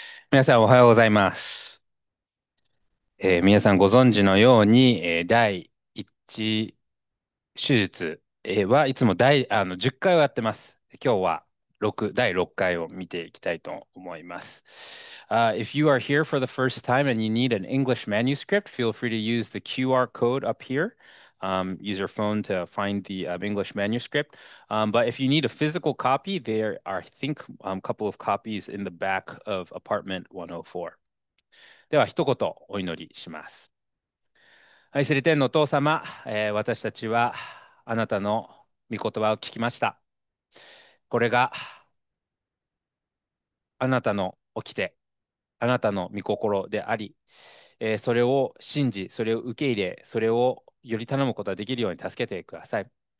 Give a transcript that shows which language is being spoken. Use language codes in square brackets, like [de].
[ja] 皆さんおはようございます。皆さんご存知のように、第1手術はいつも第あの10回をやってます。今日は第6回を見ていきたいと思います。 [en] If you are here for the first time and you need an English manuscript, feel free to use the QR code up here. Use your phone to find the English manuscript. But if you need a physical copy, there are, I think, a couple of copies in the back of apartment 104. [ja] では一言お祈りします。愛する天のお父様、私たちはあなたの御言葉を聞きました。これがあなたの掟、あなたの御心であり、それを信じ、それを受け入れ、それをより頼むことができるように助けてください。